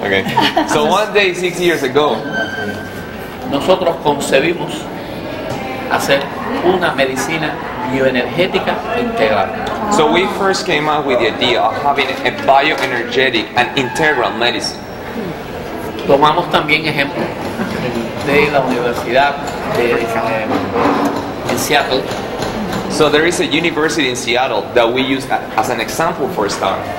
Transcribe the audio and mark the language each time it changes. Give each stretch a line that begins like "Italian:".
English: Okay. So one day, 6 years ago,
Spanish: nosotros concebimos hacer una medicina bioenergética integral.
English: So we first came up with the idea of having a bioenergetic and integral medicine.
Spanish: Tomamos también ejemplo de la universidad de en Seattle.
English: So there is a university in Seattle that we use as an example for a start.